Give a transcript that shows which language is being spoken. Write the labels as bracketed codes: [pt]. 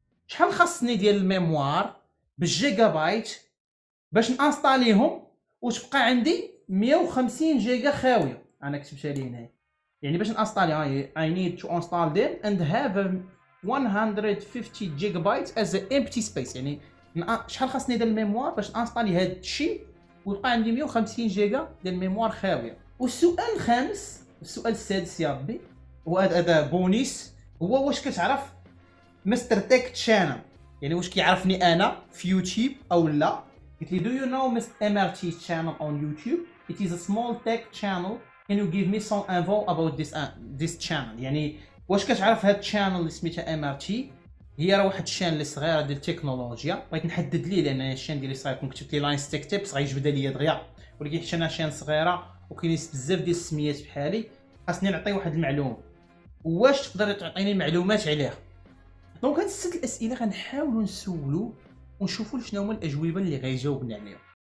[ar] شحال خاصني ديال الميموار بالجيجا بايت باش نانستاليهم وتبقى عندي 150 جيجا خاويه؟ انا كتبتها لي هنا، يعني باش نانستالي [en] I need to install them and have 150 gigabyte as empty space, [ar] يعني شحال خاصني ديال الميموار باش نانستالي هادشي ويبقى عندي 150 جيجا ديال الميموار خاويه. والسؤال الخامس، السؤال السادس يا ربي، وهذا بونيس، هو واش كتعرف مستر تيك شانل، يعني واش كيعرفني انا في يوتيوب او لا؟ قلت لي [en] do you know Mr. MRT's channel on YouTube? It is a small tech channel. Can you give me some info about this this channel? [ar] يعني واش كتعرف هاد channel اللي سميتها MRT؟ هي راه واحد الشان اللي صغيرة ديال التكنولوجيا، بغيت نحدد ليه لان الشان ديالي صغير، كون كتبت لي لاينز تيك تيبس غيجبد عليا دغيا، ولكن حيت انا شان صغيرة وكاين بزاف ديال السميات بحالي خاصني نعطي واحد المعلومة. واش تقدر تعطيني معلومات عليها؟ دونك هاد ست الأسئلة غنحاولوا نسولو ونشوفوا شنو هما الاجوبه اللي غيجاوبنا عليهم.